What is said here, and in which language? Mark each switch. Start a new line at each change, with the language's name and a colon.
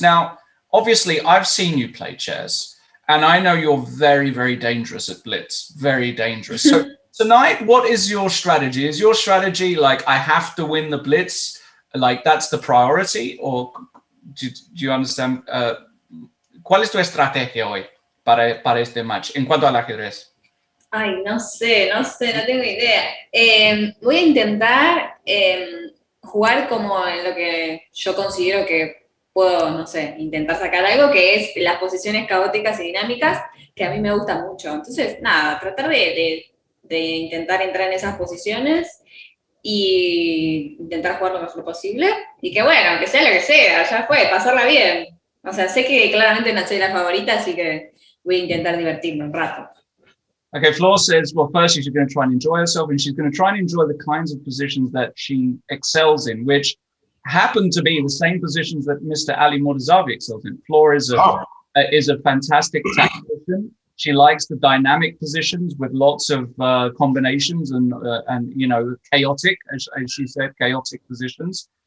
English: Now, obviously, I've seen you play chess, and I know you're very, very dangerous at blitz. Very dangerous. So tonight, what is your strategy? Is your strategy like I have to win the blitz? Like that's the priority, or do you understand?
Spanish: ¿Cuál es tu estrategia hoy para este match en cuanto al ajedrez? Ay, no sé, no tengo idea. Voy a intentar jugar como en lo que yo considero que puedo, no sé, intentar sacar algo, que es las posiciones caóticas y dinámicas que a mí me gustan mucho. Entonces, nada, tratar de intentar entrar en esas posiciones y intentar jugar lo mejor posible, y que bueno, que sea lo que sea, ya fue, pasarla bien. O sea, sé que claramente no soy la favorita, así que voy a intentar divertirme un rato.
English: Okay, Floor says, well, first she's going to try and enjoy herself, and she's going to try and enjoy the kinds of positions that she excels in, which happen to be the same positions that Mr. Ali Mortazavi excels in. Floor is a fantastic tactician. She likes the dynamic positions with lots of combinations and you know, chaotic, as she said, chaotic positions.